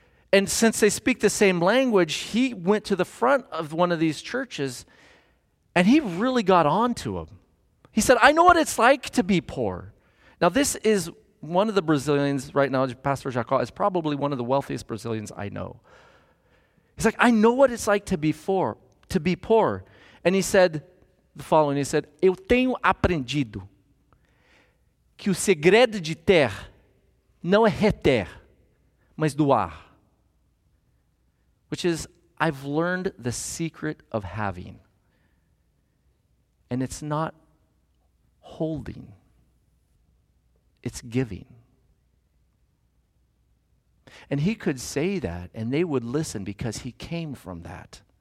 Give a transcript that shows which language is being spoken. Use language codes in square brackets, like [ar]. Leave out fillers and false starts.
[en] And since they speak the same language, he went to the front of one of these churches and he really got on to them. He said, I know what it's like to be poor. Now, this is one of the Brazilians right now, Pastor Jacó, is probably one of the wealthiest Brazilians I know. He's like, I know what it's like to be poor. And he said the following. He said, [pt] eu tenho aprendido que o segredo de ter não é reter, mas doar. [en] Which is, I've learned the secret of having. And it's not holding. It's giving. And he could say that, and they would listen because he came from that.